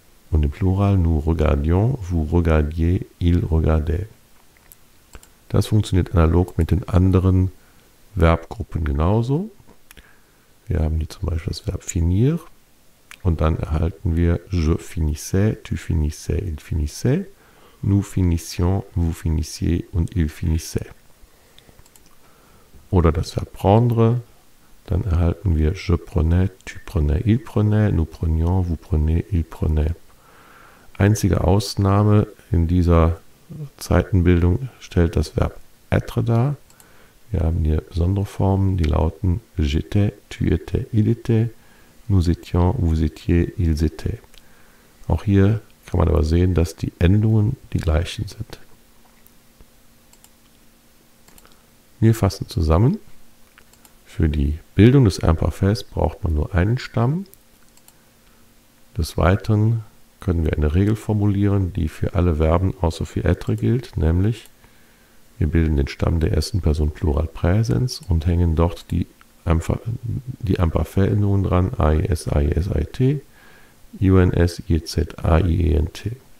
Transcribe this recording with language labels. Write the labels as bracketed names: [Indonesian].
[German] Und im Plural, [French] nous regardions, vous regardiez, ils regardaient. [German] Das funktioniert analog mit den anderen Verbgruppen genauso. Wir haben hier zum Beispiel das Verb finir. Und dann erhalten wir [French] je finissais, tu finissais, il finissait, nous finissions, vous finissiez und il finissait. [German] Oder das Verb prendre. Dann erhalten wir [French] je prenais, tu prenais, il prenait, nous prenions, vous prenez, il prenait. [German] Einzige Ausnahme in dieser Zeitenbildung stellt das Verb être dar. Wir haben hier besondere Formen, die lauten [French] j'étais, tu étais, il était, nous étions, vous étiez, ils étaient. [German] Auch hier kann man aber sehen, dass die Endungen die gleichen sind. Wir fassen zusammen. Für die Bildung des Imparfaits braucht man nur einen Stamm. Des Weiteren können wir eine Regel formulieren, die für alle Verben außer für être gilt, nämlich wir bilden den Stamm der ersten Person Pluralpräsens und hängen dort die Imparfait-Endungen dran, AIS, AIS, AIT, UNS, IZ, AIENT.